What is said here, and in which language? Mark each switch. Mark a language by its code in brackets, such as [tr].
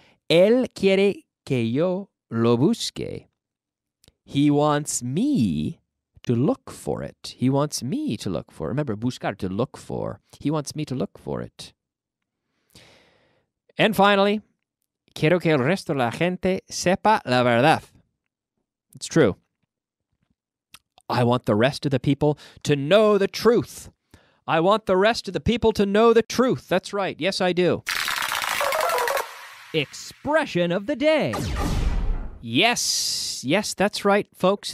[es] Él quiere que yo lo busque. [en] He wants me... to look for it. He wants me to look for it. Remember, buscar, to look for. He wants me to look for it. And finally, [es] quiero que el resto de la gente sepa la verdad. [en] It's true. I want the rest of the people to know the truth. I want the rest of the people to know the truth. That's right. Yes, I do. Expression of the day. Yes. Yes, that's right, folks.